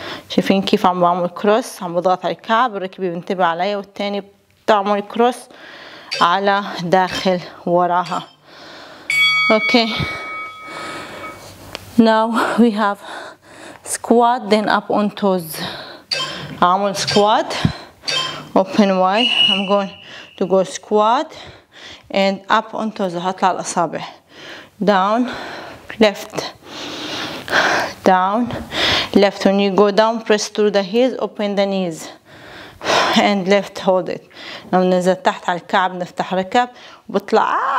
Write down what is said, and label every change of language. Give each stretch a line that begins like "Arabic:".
Arabic: شايفين كيف عم بعمل كروس؟ عم بضغط على الكعب، ركبي بنتبه علي والتاني بتعمل كروس على داخل وراها.
English: Okay. Now we have squat then up on toes.
Arabic: عمل سكوات.
English: Open wide. I'm going to go squat and up onto the
Arabic: هطلع الأصابع.
English: Down, left, down, left. When you go down, press through the heels, open the knees, and left. Hold it.
Arabic: لما ننزل تحت على الكعب نفتح ركب وبطلع.